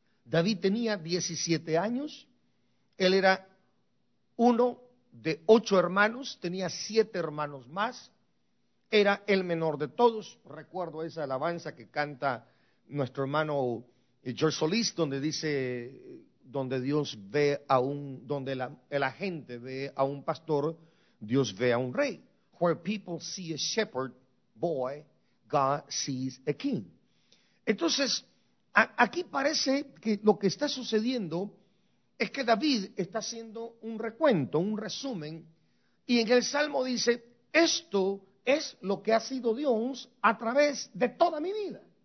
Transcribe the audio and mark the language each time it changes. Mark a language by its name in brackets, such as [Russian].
[Spanish] David tenía 17 años, él era uno de 8 hermanos, tenía 7 hermanos más, era el menor de todos. Recuerdo esa alabanza que canta nuestro hermano George Solís, donde dice, donde la gente ve a un pastor, Dios ve a un rey. [English] Where people see a shepherd boy, God sees a king. [Spanish] Entonces, aquí parece que lo que está sucediendo es que David está haciendo un recuento, un resumen, y en el Salmo dice, esto es lo que ha sido Dios a través de toda mi vida.